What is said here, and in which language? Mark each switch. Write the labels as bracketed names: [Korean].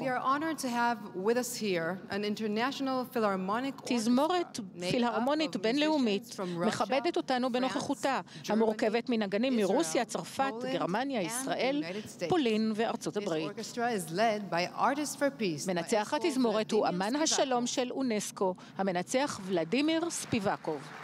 [English] We are honored to have with us here an international philharmonic orchestra. [Hebrew] תזמורת פילהרמונית בינלאומית מכבדת אותנו בנוכחותה, המורכבת מנגנים מרוסיה, צרפת, גרמניה, ישראל, פולין וארצות הברית. [English] This orchestra is led by Artists for Peace. [Hebrew] מנצח התזמורת הוא אמן השלום של אונסקו, המנצח ולדימיר ספיבקוב.